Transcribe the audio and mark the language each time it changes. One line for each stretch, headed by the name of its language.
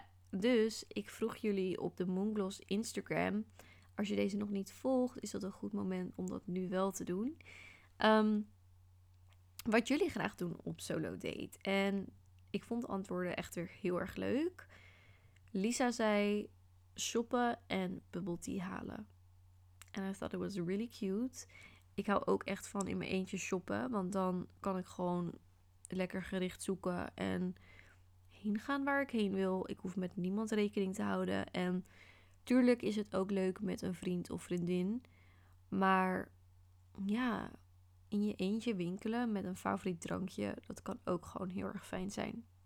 Dutch: Dus ik vroeg jullie op de Moongloss Instagram. Als je deze nog niet volgt, is dat een goed moment om dat nu wel te doen. Wat jullie graag doen op solo date. En ik vond de antwoorden echt weer heel erg leuk. Lisa zei shoppen en bubble tea halen.
English: And I thought it was really cute.
Dutch: Ik hou ook echt van in mijn eentje shoppen. Want dan kan ik gewoon lekker gericht zoeken en heen gaan waar ik heen wil. Ik hoef met niemand rekening te houden. En tuurlijk is het ook leuk met een vriend of vriendin. Maar ja, in je eentje winkelen met een favoriet drankje, dat kan ook gewoon heel erg fijn zijn.